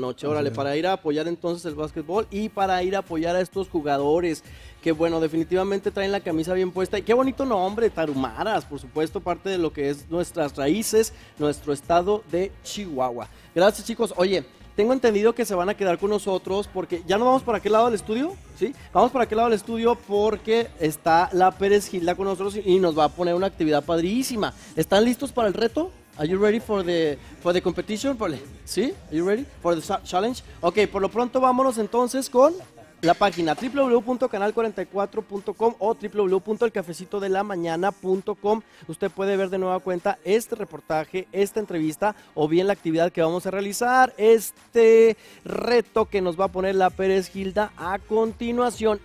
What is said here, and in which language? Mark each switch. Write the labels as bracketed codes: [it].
[es] Órale, para ir a apoyar entonces el básquetbol y para ir a apoyar a estos jugadores que, bueno, definitivamente traen la camisa bien puesta. Y qué bonito nombre, Tarahumaras, por supuesto, parte de lo que es nuestras raíces, nuestro estado de Chihuahua. Gracias, chicos. Oye, tengo entendido que se van a quedar con nosotros porque ya no vamos para aquel lado del estudio, ¿sí? Vamos para aquel lado del estudio porque está la Pérez Gilda con nosotros y nos va a poner una actividad padrísima. ¿Están listos para el reto? [en] Are you ready for the competition? ¿Sí? Are you ready for the challenge? [es] Ok, por lo pronto vámonos entonces con la página www.canal44.com o www.elcafecitodelamañana.com. Usted puede ver de nueva cuenta este reportaje, esta entrevista o bien la actividad que vamos a realizar, este reto que nos va a poner la Pérez Gilda a continuación.